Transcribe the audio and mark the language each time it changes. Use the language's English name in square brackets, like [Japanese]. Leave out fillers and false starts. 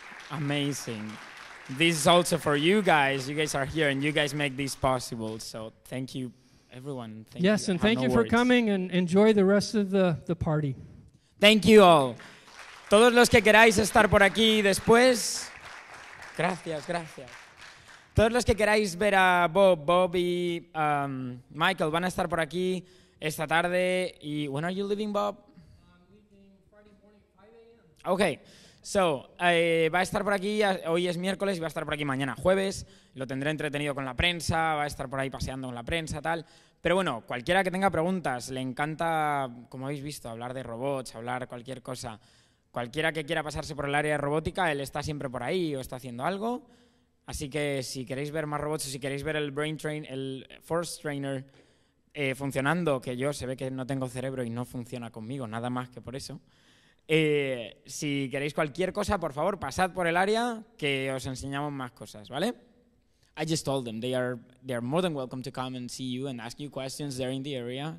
[English] Amazing. This is also for you guys. You guys are here, and you guys make this possible. So thank you, everyone. Thank you for coming, and enjoy the rest of the party. Thank you all. [Spanish] Todos los que queráis estar por aquí después, gracias, gracias. Todos los que queráis ver a Bob, Bobby, Michael, van a estar por aquí esta tarde. [English] Y when are you leaving, Bob? I'm leaving Friday morning, 5 a.m. [Spanish] Okay, so va a estar por aquí, hoy es miércoles, y va a estar por aquí mañana jueves. Lo tendré entretenido con la prensa, va a estar por ahí paseando con la prensa, tal. Pero bueno, cualquiera que tenga preguntas, le encanta, como habéis visto, hablar de robots, hablar cualquier cosa. Cualquiera que quiera pasarse por el área de robótica, él está siempre por ahí o está haciendo algo. Así que si queréis ver más robots, si queréis ver el brain train, el force trainer funcionando, que yo se ve que no tengo cerebro y no funciona conmigo, nada más que por eso. Si queréis cualquier cosa, por favor, pasad por el área que os enseñamos más cosas, ¿vale? [English] I just told them they are more than welcome to come and see you and ask you questions there in the area.